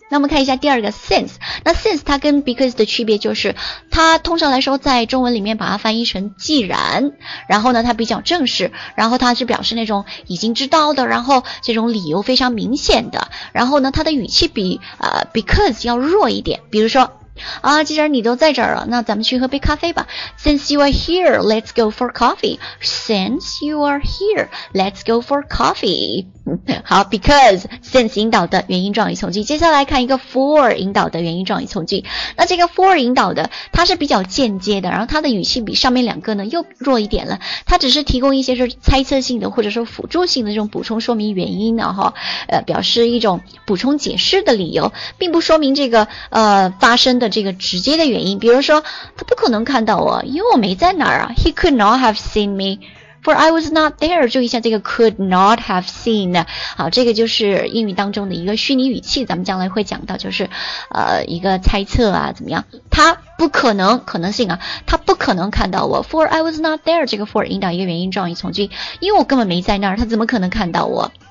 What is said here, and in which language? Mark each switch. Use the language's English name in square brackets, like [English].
[Chinese] 那我们看一下第二个 since， 那 since 它跟 because 的区别就是它通常来说在中文里面把它翻译成既然，然后呢它比较正式，然后它是表示那种已经知道的，然后这种理由非常明显的，然后呢它的语气比because 要弱一点，比如说啊，既然你都在这儿了，那咱们去喝杯咖啡吧。 [English] Since you are here, let's go for coffee. Since you are here, let's go for coffee. [Chinese] 好 ，because since 引导的原因状语从句。接下来看一个 for 引导的原因状语从句。那这个 for 引导的，它是比较间接的，然后它的语气比上面两个呢又弱一点了。它只是提供一些是猜测性的或者说辅助性的这种补充说明原因的哈，表示一种补充解释的理由，并不说明这个发生的这个直接的原因，比如说他不可能看到我，因为我没在哪儿啊。 [English] He could not have seen me, for I was not there. [Chinese] 注意一下这个 [English] could not have seen。 [Chinese] 好，这个就是英语当中的一个虚拟语气，咱们将来会讲到，就是一个猜测啊，怎么样？他不可能，可能性啊，他不可能看到我。 [English] For I was not there. [Chinese] 这个 for 引导一个原因状语从句，因为我根本没在那儿，他怎么可能看到我？